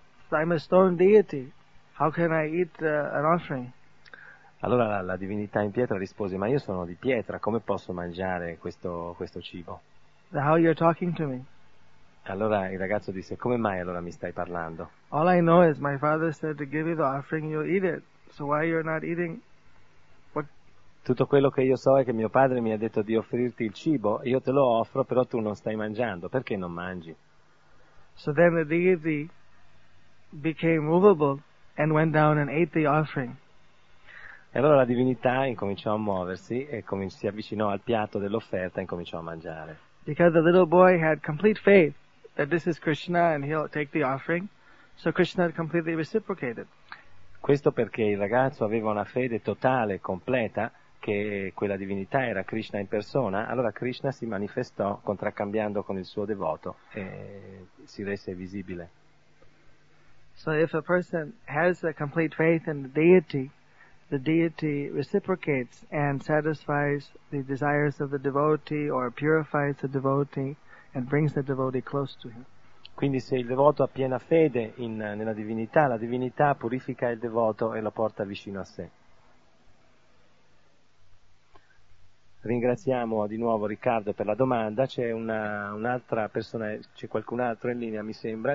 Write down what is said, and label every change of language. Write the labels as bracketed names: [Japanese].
[English] I'm a stone deity. How can I eat an offering? [Italian] Allora la divinità in pietra rispose, ma io sono di pietra, come posso mangiare questo cibo? [English] How you're talking to me? [Italian] Allora il ragazzo disse, come mai allora mi stai parlando? [English] All I know is my father said to give you the offering, you'll eat it. So why you're not eating? What? [Italian] Tutto quello che io so è che mio padre mi ha detto di offrirti il cibo, io te lo offro, però tu non stai mangiando, perché non mangi? [English] So then the deity became movable and went down and ate the offering. [Italian] E allora la divinità incominciò a muoversi e si avvicinò al piatto dell'offerta e incominciò a mangiare. [English] Because the little boy had complete faith that this is Krishna and he'll take the offering, so Krishna completely reciprocated. [Italian] Questo perché il ragazzo aveva una fede totale, completa, che quella divinità era Krishna in persona, allora Krishna si manifestò contraccambiando con il suo devoto e si rese visibile. [English] So if a person has a complete faith in the deity reciprocates and satisfies the desires of the devotee or purifies the devotee and brings the devotee close to him. [Italian] Quindi se il devoto ha piena fede nella divinità, la divinità purifica il devoto e lo porta vicino a sé. Ringraziamo di nuovo Riccardo per la domanda. C'è un'altra persona, c'è qualcun altro in linea, mi sembra.